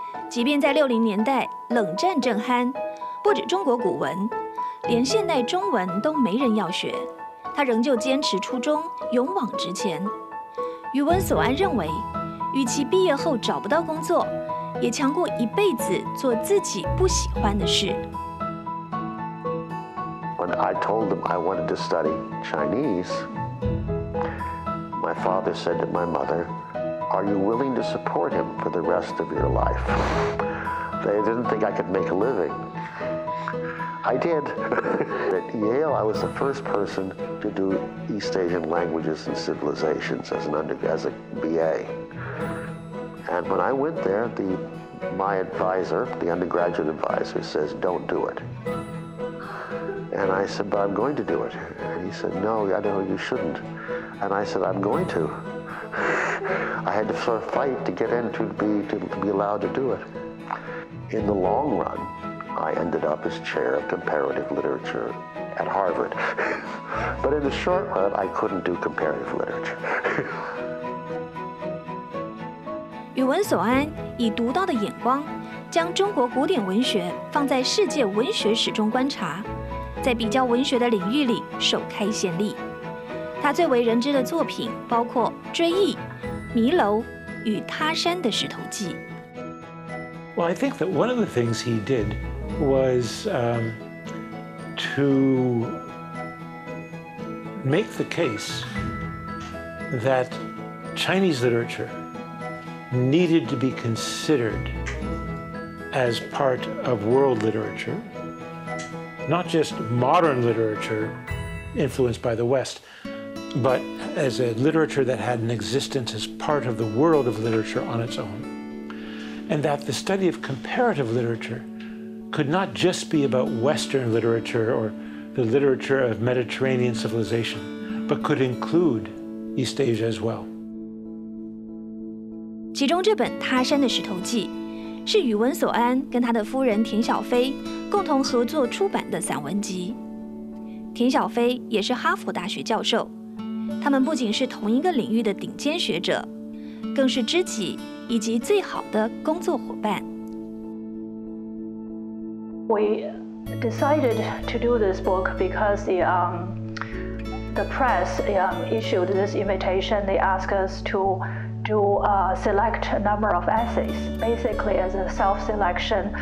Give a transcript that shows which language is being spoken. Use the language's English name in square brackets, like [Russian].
[Chinese] 即便在60年代冷战正酣，不止中国古文，连现代中文都没人要学，他仍旧坚持初衷，勇往直前。宇文所安认为，与其毕业后找不到工作，也强过一辈子做自己不喜欢的事。 [English] When I told them I wanted to study Chinese, my father said to my mother, "Are you willing to support him for the rest of your life?" They didn't think I could make a living. I did. At Yale, I was the first person to do East Asian languages and civilizations as a BA. And when I went there, my advisor, the undergraduate advisor, says, "Don't do it." And I said, "But I'm going to do it." And he said, "No, I know you shouldn't." And I said, "I'm going to." I had to sort of fight to get in to be allowed to do it. In the long run, I ended up as chair of comparative literature at Harvard. But in the short run, I couldn't do comparative literature. [Chinese] 宇文所安以独到的眼光将中国古典文学放在世界文学史中观察，在比较文学的领域里首开先例。他最为人知的作品包括《追忆》《迷楼》与《他山的石头记》。 [English] Well, I think that one of the things he did was to make the case that Chinese literature needed to be considered as part of world literature, not just modern literature influenced by the West, but as a literature that had an existence as part of the world of literature on its own. And that the study of comparative literature could not just be about Western literature or the literature of Mediterranean civilization, but could include East Asia as well. [Chinese] 其中这本《他山的石头记》是宇文索安跟他的夫人田小飞共同合作出版的散文集。田小飞也是哈佛大学教授，他们不仅是同一个领域的顶尖学者，更是知己。以及最好的工作伙伴。 [English] We decided to do this book because the press issued this invitation. They asked us to do a select number of essays, basically as a self-selection.